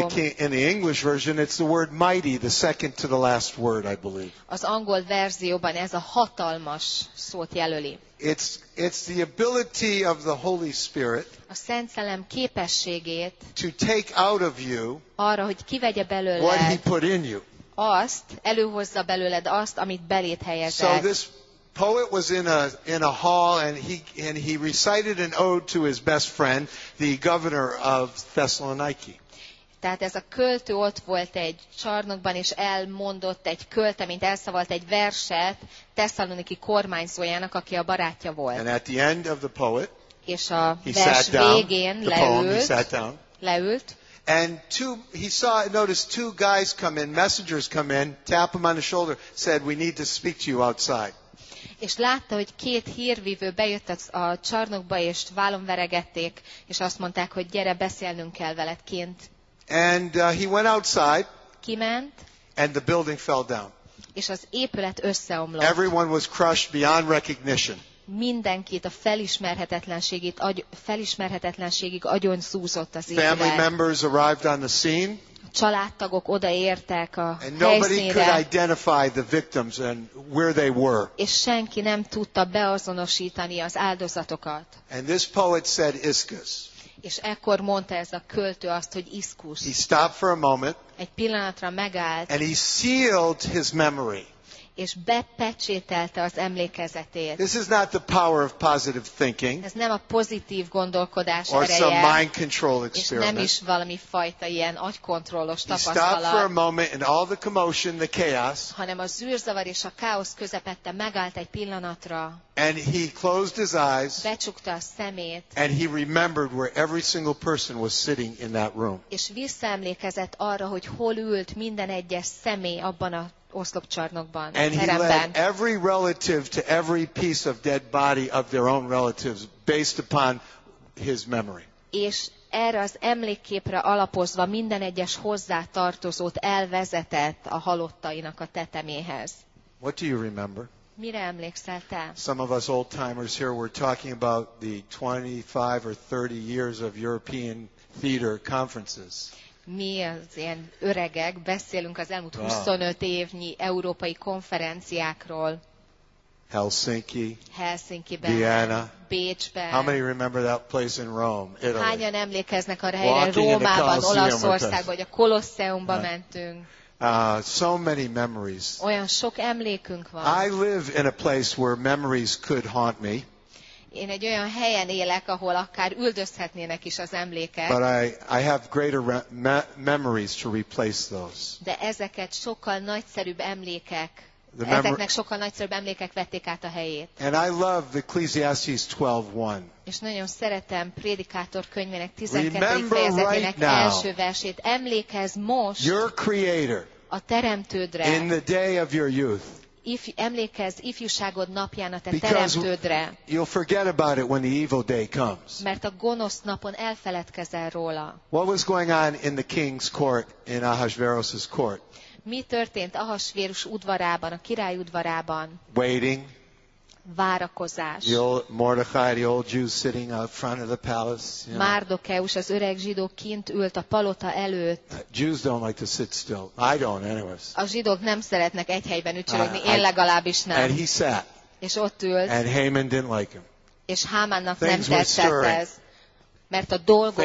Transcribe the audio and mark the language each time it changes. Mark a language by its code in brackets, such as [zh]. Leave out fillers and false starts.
[en] In the English version, it's the word mighty, the second to the last word, I believe. [hu] Az angol verzióban ez a hatalmas szót jelöli. [en] It's the ability of the Holy Spirit. [hu] A Szent Szellem képességét. [en] To take out of you. [hu] Arra, hogy kivegye belőled. [en] What he put in you. [hu] Azt, előhozza belőled azt, amit beléd helyezett. [en] So this poet was in a hall and he recited an ode to his best friend, the governor of Thessaloniki. [hu] Tehát ez a költő ott volt egy csarnokban, és elmondott egy költeményt, elszavalt egy verset Thessaloniki kormányzójának, aki a barátja volt. [en] And at the end of the poet, [hu] és a vers végén leült. [en] And he noticed two guys come in, messengers come in, tap him on the shoulder, said, we need to speak to you outside. [hu] És látta, hogy két hírvívő bejött a csarnokba, és vállon veregették, és azt mondták, hogy gyere, beszélnünk kell veled kint. [en] And he went outside. [hu] Kiment. [en] And the building fell down. [hu] És az épület összeomlott. [en] Everyone was crushed beyond recognition. [hu] Mindenkit a felismerhetetlenségig agyon szúzott az épület. [en] Family members arrived on the scene. [hu] Családtagok odaértek a helyszínre. [en] And nobody could identify the victims and where they were. [hu] És senki nem tudta beazonosítani az áldozatokat. [en] And this poet said iskus. [hu] És ekkor mondta ez a költő azt, hogy iskus. [en] He stopped for a moment. [hu] Egy pillanatra megállt. [en] And he sealed his memory. [hu] És bepecsételte az emlékezetét. [en] This is not the power of positive thinking. [hu] Ez nem a pozitív gondolkodás [en] or [hu] ereje. [en] Or some mind control experiment. [hu] És nem is valami fajta ilyen agykontrollos tapasztalat. [en] He stopped for a moment in all the commotion, the chaos. [hu] Hanem a zűrzavar és a káosz közepette megállt egy pillanatra. [en] And he closed his eyes. [hu] Becsukta a szemét. [en] And he remembered where every single person was sitting in that room. [hu] És visszaemlékezett arra, hogy hol ült minden egyes személy abban a oszlopcsarnokban, teremben. [en] And he led every relative to every piece of dead body of their own relatives based upon his memory. [hu] És erre az emlékképre alapozva minden egyes hozzátartozót elvezetett a halottainak a teteméhez. [en] What do you remember? [hu] Mire emlékszel te? [en] Some of us old timers here were talking about the 25 or 30 years of European theater conferences. [hu] mi az ilyen öregek beszélünk az elmúlt 25 évnyi európai konferenciákról. [en] Helsinki. [hu] Helsinki-ben. [en] Vienna. [hu] Bécsben. [en] How many remember that place in Rome, Italy? [hu] Hányan emlékeznek arra helyre, Rómában, Olaszországban, vagy a Kolosseumban mentünk? [en] So many memories. [hu] Olyan sok emlékünk van. [en] I live in a place where memories could haunt me. [hu] Én egy olyan helyen élek, ahol akár üldözhetnének is az emlékek. [en] But I have greater memories to replace those. [hu] De ezeket sokkal nagyszerűbb emlékek. Ezeknek sokkal nagyszerűbb emlékek vették át a helyét. [en] And I love Ecclesiastes 12:1. [hu] És nagyon szeretem Prédikátor könyvének 12. fejezetének első versét. Emlékezz most [en] your creator [hu] a teremtődre. [en] In the day of your youth. [hu] Emlékezz ifjúságod napján a te teremtődre. [en] You'll forget about it when the evil day comes. [hu] Mert a gonosz napon elfeledkezel róla. [en] What was going on in the king's court, in Ahasverus's court? [hu] Mi történt Ahasvérus udvarában, a király udvarában? [en] Waiting. [hu] Várakozás. [en] The old Mordechai, the old Jew sitting out front of the palace. You know. [hu] Mardokeus, az öreg zsidó kint ült a palota előtt. [en] Jews don't like to sit still. I don't, anyways. [hu] A zsidók nem szeretnek egy helyben ücsörögni, én legalábbis nem. [en] And he sat. [hu] És ott ült. [en] And Haman didn't like him. [hu] És Hámannak nem tetszett ez. Mert a dolgok